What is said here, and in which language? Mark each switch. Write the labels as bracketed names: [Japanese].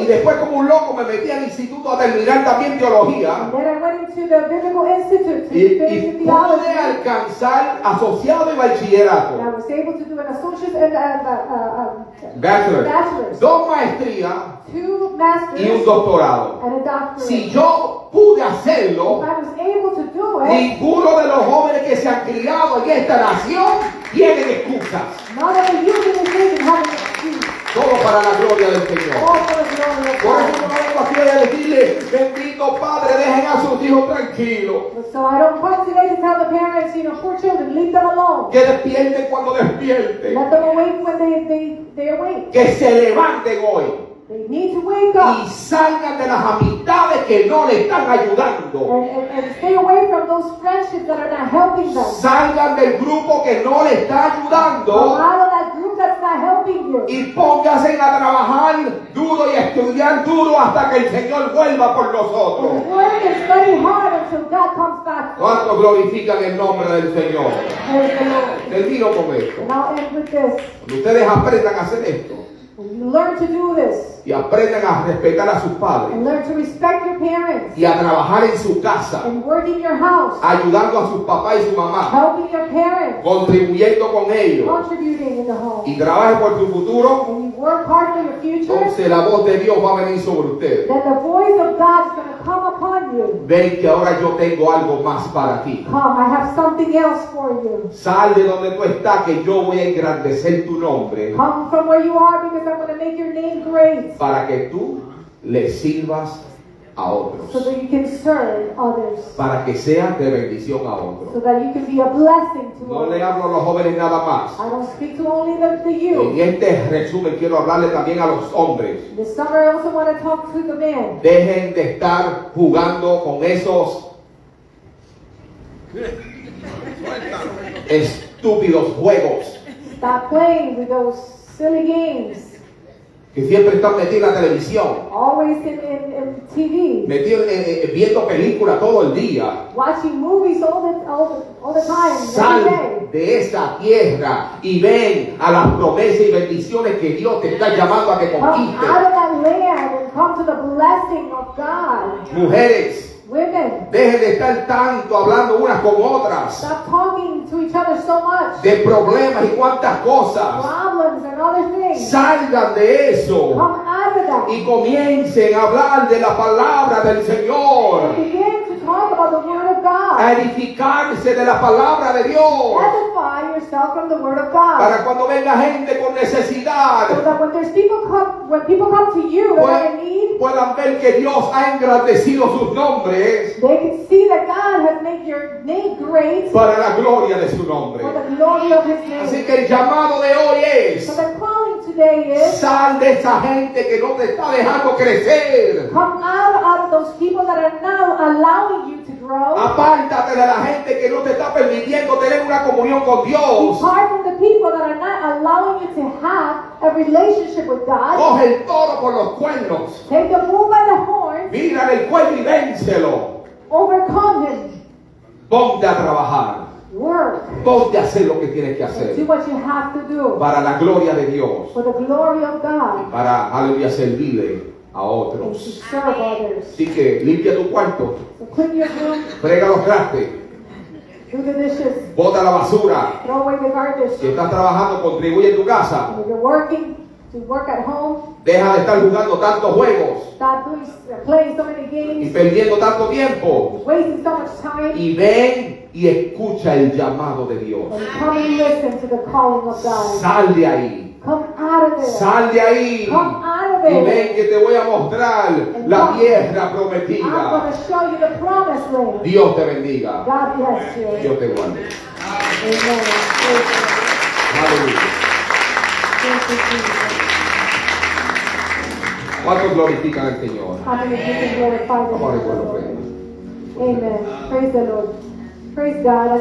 [Spanish] Y después como un loco me metí al instituto a terminar también teología. [English] And then I went into the biblical institute to finish theology. [Spanish] Alcanzar asociado de bachillerato. [English] And I was able to do an associate and [Spanish] bachelor's. 2 maestrías. [English] 2 masters. [Spanish] Y un doctorado. [English] And a doctorate. [Spanish] Si yo pude hacerlo, [English] if I was able to do it, [Spanish] ninguno de los jóvenes que se han criado en esta nación tiene excusas. [English] None of the youth in this nation have an excuse. [Spanish] Todo para la gloria del Señor. Por eso no vengo aquí a decirle, bendito Padre, dejen a sus hijos tranquilos. [English] So I don't come today to tell the parents, you know, poor children, leave them alone. [Spanish] Que despierten cuando despierten. [English] Let them awake when they awake. [Spanish] Que se levanten hoy. [English] They need to wake up. [Spanish] Y salgan de las amistades que no le están ayudando. [English] And stay away from those friendships that are not helping them. [Spanish] Salgan del grupo que no le está ayudando. [English] Out of that group that's not helping. figure. [Spanish] Y póngase a trabajar duro y estudiar duro hasta que el Señor vuelva por nosotros. [English] Work and study hard until God comes back. [Spanish] ¿Cuánto glorifican el nombre del Señor? Termino con esto. [English] Now end with this. [Spanish] Cuando ustedes aprendan a hacer esto. [English] You learn to do this. [Spanish] Y aprendan a respetar a sus padres. [English] And learn to respect your parents. [Spanish] Y a trabajar en su casa. [English] And work in your house. [Spanish] Ayudando a sus papás y su mamá. [English] Helping your parents. [Spanish] Contribuyendo con ellos. [English] Contributing in the home. [Spanish] Y trabaje por tu futuro. [English] And you work hard for your future. [Spanish] Entonces la voz de Dios va a venir sobre ustedes. [English] Then the voice of God's going to come upon you. [Spanish] Ven que ahora yo tengo algo más para ti. [English] Come, I have something else for you. [Spanish] Sal de donde tú estás, que yo voy a engrandecer tu nombre. [English] Come from where you are, because I'm going to make your name great. [Spanish] Para que tú le sirvas a otros. [English] So that you can serve others. [Spanish] Para que seas de bendición a otros. [English] So that you can be a blessing to no others. [Spanish] Le hablo a los jóvenes nada más. [English] I don't speak to only them, to you. [Spanish] En este resumen quiero hablarle también a los hombres. [English] This summer I also want to talk to the men. [Spanish] Dejen de estar jugando con esos estúpidos juegos. [English] Stop playing with those silly games. [Spanish] Que siempre están metidos en la televisión. [English] Always in TV. [Spanish] Metido viendo películas todo el día. [English] Watching movies all the time. [Spanish] Sal de esta tierra y ven a las promesas y bendiciones que Dios te está llamando a que conquistes. [English] Come out of that land and come to the blessing of God. [Spanish] Mujeres. [English] Women. [Spanish] Dejen de estar tanto hablando unas con otras. [English] Stop talking to each other so much. [Spanish] De problemas y cuantas cosas. [English] Problems and other things. [Spanish] Salgan de eso. [English] Come out of that. [Spanish] Y comiencen a hablar de la palabra del Señor. [English] Talk about the word of God. [Spanish] Edificarse de la palabra de Dios. [English] Edify yourself from the word of God. [Spanish] Para cuando venga gente con necesidad. [English] So that when people come to you that are in need. [Spanish] Puedan ver que Dios ha engrandecido sus nombres. [English] They can see that God has made your name great. [Spanish] Para la gloria de su nombre. [English] For the glory of his name. [Spanish] Así que el llamado de hoy es. [English] So the calling today is. [Spanish] Sal de esa gente que no te está dejando crecer. [English] Come out of those people that are now allowing you to grow. [Spanish] Apártate de la gente que no te está permitiendo tener una comunión con Dios. [English] Depart from the people that are not allowing you to have a relationship with God. [Spanish] Coge el toro por los cuernos. [English] Take the bull by the horns. [Spanish] Mira el cuello y vénselo. [English] Overcome him. [Spanish] Ponte a trabajar. [English] Work. [Spanish] Ponte a hacer lo que tienes que hacer. [English] Do what you have to do. [Spanish] Para la gloria de Dios. [English] For the glory of God. [Spanish] Y para aleluya servirle a otros. Así que limpia tu cuarto. Frega los trastes. Bota la basura. [English] Throw away the garbage. [Spanish] Si estás trabajando, contribuye en tu casa. [English] If you're working, to work at home. [Spanish] Deja de estar jugando tantos juegos. [English] Stop playing so many games. [Spanish] Y perdiendo tanto tiempo. [English] Wasting so much time. [Spanish] Y ven y escucha el llamado de Dios. [English] And come and listen to the calling of God. [Spanish] Sal de ahí. [English] Come out of there. [Spanish] Sal de ahí. [English] Come out of there. [Spanish] Y ven que te voy a mostrar la tierra prometida. [English] I'm going to show you the promised land. [Spanish] Dios te bendiga. [English] God bless you. [Spanish] Dios te guarde. [English] Amen. Thank you. Hallelujah. Thank you, Jesus. [Spanish] ¿Cuántos glorifican al Señor? [English] Amen. Praise the Lord. Praise God.